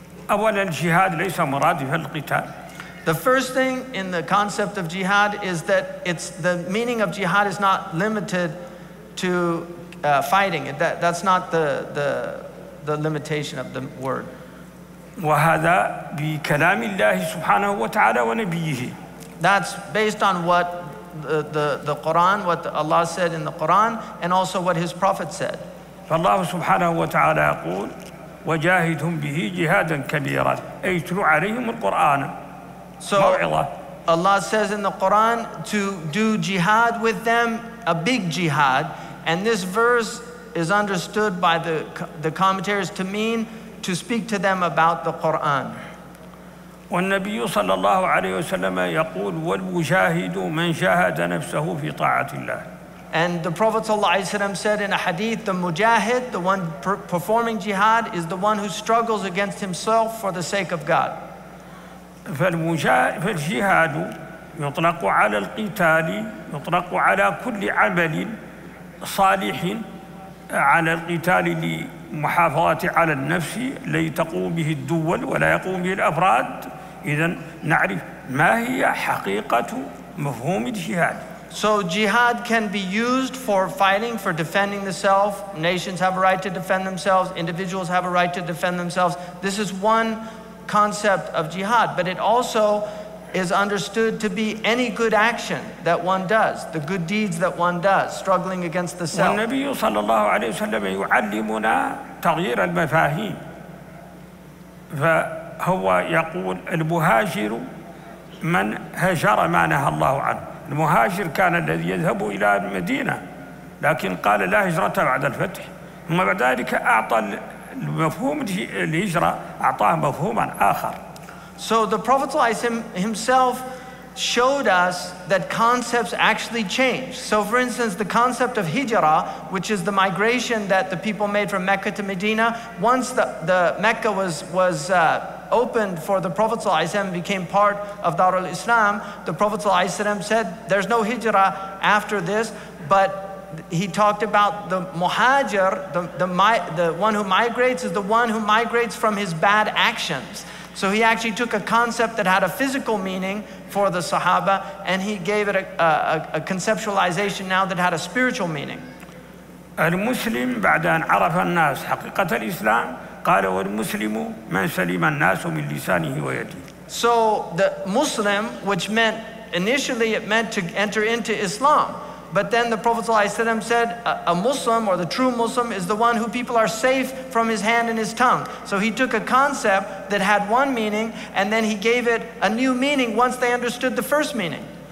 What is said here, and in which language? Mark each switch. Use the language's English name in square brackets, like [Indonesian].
[Arabic] أولا الجihad ليس مرادف القتال. [English] The first thing in the concept of jihad is that it's the meaning of jihad is not limited to fighting. That's not the limitation of the word. [Arabic] وهذا بكلام الله سبحانه وتعالى ونبيه. [English] That's based on what the Quran, what Allah said in the Quran, and also what His Prophet said. [Arabic] فالله سبحانه وتعالى يقول وجاهدهم به جهادا كبيرا أي تلو عليهم القرآن. [English] So Allah says in the Quran to do jihad with them, a big jihad, and this verse is understood by the commentaries to mean to speak to them about the Quran. [Arabic] والنبي صلى الله عليه وسلم يقول والمجاهد من جاهد نفسه في طاعة الله. [English] And the Prophet [Arabic] صلى الله عليه وسلم [English] said in a hadith, the mujahid, the one performing jihad, is the one who struggles against himself for the sake of God. [Arabic] فالجهاد يطلق على القتال يطلق على كل عمل صالح على القتال لمحافظة على النفس لي تقوم به الدول ولا يقوم به الأفراد. إذن نعرف ما هي حقيقة مفهوم الجهاد. [English] So jihad can be used for fighting, for defending the self. Nations have a right to defend themselves. Individuals have a right to defend themselves. This is one concept of jihad, but it also is understood to be any good action that one does, the good deeds that one does, struggling against the self. [Arabic] والنبي صلى الله عليه وسلم يعلمنا تغيير المفاهيم. فهو يقول المهاجر من هجر ما نهى الله عنه. المهاجر كان الذي يذهب إلى المدينة لكن قال لا هجرة بعد الفتح، ثم بعد ذلك أعطى المفهوم الهجرة أعطاه مفهوما آخر. [English] So the Prophet himself showed us that concepts actually change. So for instance, the concept of hijra, which is the migration that the people made from Mecca to Medina, once the Mecca was opened for the Prophet ﷺ became part of Darul Islam, the Prophet ﷺ said there's no hijra after this, but he talked about the muhajir, the one who migrates is the one who migrates from his bad actions. So he actually took a concept that had a physical meaning for the Sahaba and he gave it a conceptualization now that had a spiritual meaning. [Arabic] المسلم بعد أن عرف الناس حقيقة الإسلام قال والمسلم من سلم الناس من لسانه ويده. [English] So the Muslim, which meant initially it meant to enter into Islam, but then the Prophet ﷺ said a Muslim or the true Muslim is the one who people are safe from his hand and his tongue. So he took a concept that had one meaning and then he gave it a new meaning once they understood the first meaning.